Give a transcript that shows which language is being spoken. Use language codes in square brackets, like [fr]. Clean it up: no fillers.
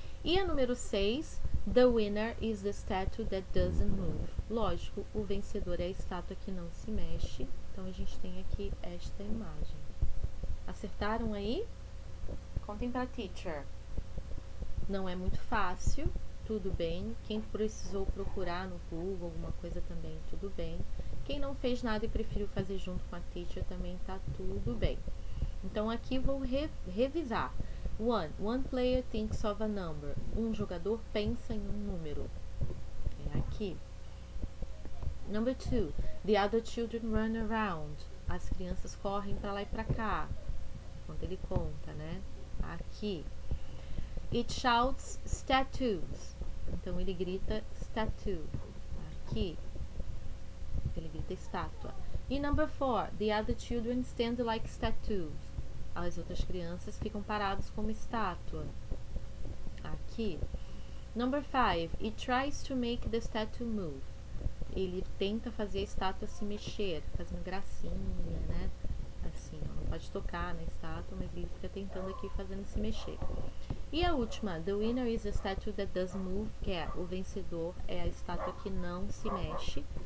[en] E a número 6, the winner is the statue that doesn't move. [pt] Lógico, o vencedor é a estátua que não se mexe. Então a gente tem aqui esta imagem. Acertaram aí? Contem pra teacher. Não é muito fácil, tudo bem. Quem precisou procurar no Google alguma coisa também, tudo bem. Quem não fez nada e preferiu fazer junto com a teacher também tá tudo bem. Então aqui vou revisar. [en] One player thinks of a number. [pt] Um jogador pensa em um número. É aqui. [en] Number two, the other children run around. [pt] As crianças correm para lá e para cá. Quando ele conta, né? Aqui. [en] It shouts statues. [pt] Então ele grita statue. Aqui. Ele grita estátua. [en] E number four, the other children stand like statues. [pt] As outras crianças ficam paradas como estátua. Aqui. [en] Number five, it tries to make the statue move. [pt] Ele tenta fazer a estátua se mexer, fazendo gracinha, né? Assim, ó, não pode tocar na estátua, mas ele fica tentando aqui fazendo se mexer. E a última, [en] the winner is the statue that doesn't move, [pt] que é o vencedor, é a estátua que não se mexe.